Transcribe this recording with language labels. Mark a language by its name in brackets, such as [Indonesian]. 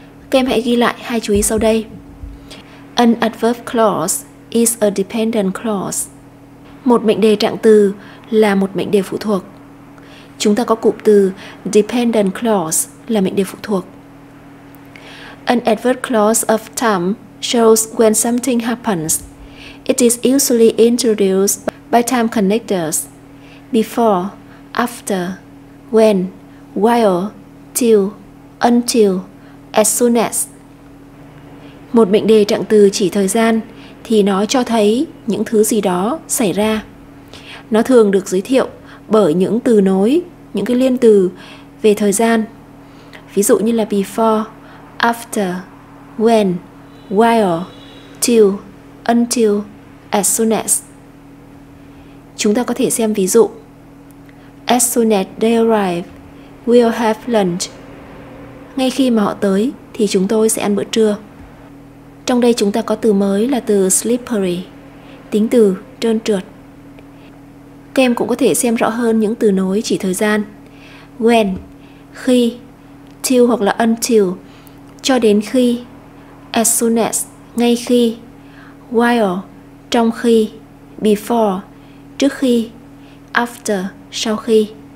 [Vietnamese] Các em hãy ghi lại hai chú ý sau đây. [English] An adverb clause is a dependent clause. [Vietnamese] Một mệnh đề trạng từ là một mệnh đề phụ thuộc. Chúng ta có cụm từ dependent clause là mệnh đề phụ thuộc. [English] An adverb clause of time shows when something happens. It is usually introduced by time connectors. Before, after, when, while, till, until, as soon as. [Vietnamese] Một mệnh đề trạng từ chỉ thời gian thì nó cho thấy những thứ gì đó xảy ra. Nó thường được giới thiệu bởi những từ nối, những cái liên từ về thời gian. Ví dụ như là before, after, when, while, till, until, as soon as. Chúng ta có thể xem ví dụ. [English] As soon as they arrive, we'll have lunch. [Vietnamese] Ngay khi mà họ tới thì chúng tôi sẽ ăn bữa trưa. Trong đây chúng ta có từ mới là từ slippery, tính từ trơn trượt. Các em cũng có thể xem rõ hơn những từ nối chỉ thời gian. When, khi, till hoặc là until, cho đến khi, as soon as, ngay khi, while, trong khi, before, trước khi, after, sau khi.